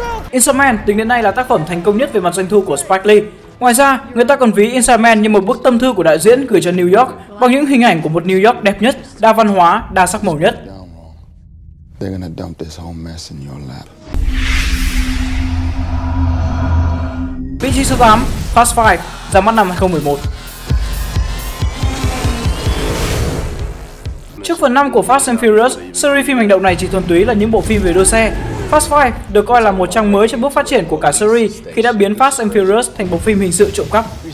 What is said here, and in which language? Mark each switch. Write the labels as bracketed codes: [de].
[vi] Inside Man tính đến nay là tác phẩm thành công nhất về mặt doanh thu của Spike Lee. Ngoài ra, người ta còn ví Inside Man như một bức tâm thư của đạo diễn gửi cho New York bằng những hình ảnh của một New York đẹp nhất, đa văn hóa, đa sắc màu nhất. [en] They're gonna dump this whole mess in your lap. [vi] Vị trí số 8, Fast Five, ra mắt năm 2011. Trước phần 5 của Fast and Furious, series phim hành động này chỉ thuần túy là những bộ phim về đua xe. Fast Five được coi là một trang mới trong bước phát triển của cả series khi đã biến Fast and Furious thành bộ phim hình sự trộm cắp.